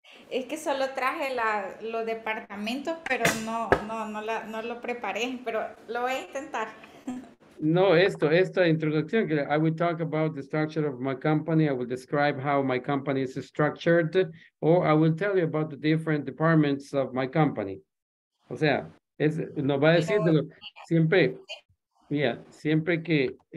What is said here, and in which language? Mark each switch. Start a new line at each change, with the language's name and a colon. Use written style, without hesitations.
Spanish: Es que solo traje los departamentos, pero no lo preparé, pero lo voy a intentar. No, esta introducción, que
English: I will talk about the structure of my company, I will describe how my company is structured, or I will tell you about the different departments of my company.
Spanish: O sea, nos va a decir de lo, siempre, mira, siempre que...